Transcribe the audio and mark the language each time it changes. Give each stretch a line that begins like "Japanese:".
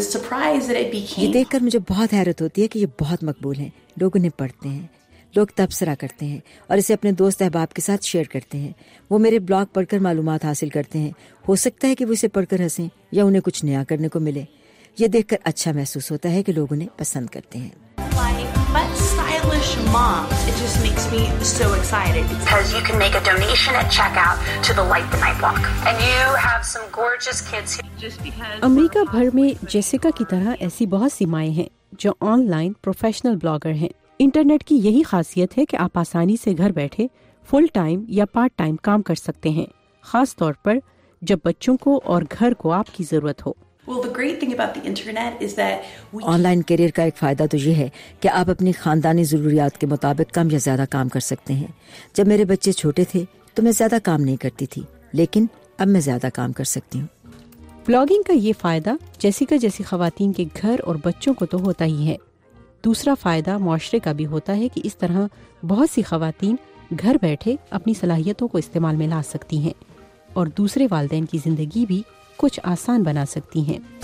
Urdu: یہ دیکھ کر مجھے بہت حیرت ہوتی ہے کہ یہ بہت مقبول ہیں, لوگ انہیں پڑھتے ہیں, لوگ تبصرہ کرتے ہیں اور اسے اپنے دوست احباب کے ساتھ شیئر کرتے ہیں. وہ میرے بلاگ پڑھ کر معلومات حاصل کرتے ہیں, ہو سکتا ہے کہ وہ اسے پڑھ کر ہنسیں یا انہیں کچھ نیا کرنے کو ملے. یہ دیکھ کر اچھا محسوس ہوتا ہے کہ لوگ انہیں پسند کرتے ہیں.
English: Mom, it just makes me so excited because you can make a donation at checkout to the Light the Night Walk and you have some gorgeous kids here.
Urdu: امریکہ بھر میں جیسیکا کی طرح ایسی بہت سی مائیں ہیں جو آن لائن پروفیشنل بلاگر ہیں. انٹرنیٹ کی یہی خاصیت ہے کہ آپ آسانی سے گھر بیٹھے فل ٹائم یا پارٹ ٹائم کام کر سکتے ہیں, خاص طور پر جب بچوں کو اور گھر کو آپ کی ضرورت ہو.
English: Well, the great thing about the internet is that
Urdu: on line career کا ایک فائدہ تو یہ ہے کہ آپ اپنی خاندانی ضروریات کے مطابق کم یا زیادہ کام کر سکتے ہیں. جب میرے بچے چھوٹے تھے تو میں زیادہ کام نہیں کرتی تھی, لیکن اب میں زیادہ کام کر سکتی ہوں. بلاگنگ کا یہ فائدہ جیسیکا جیسی خواتین کے گھر اور بچوں کو تو ہوتا ہی ہے, دوسرا فائدہ معاشرے کا بھی ہوتا ہے کہ اس طرح بہت سی خواتین گھر بیٹھے اپنی صلاحیتوں کو استعمال میں لا سکتی ہیں اور دوسرے والدین کی زندگی بھی کچھ آسان بنا سکتی ہیں.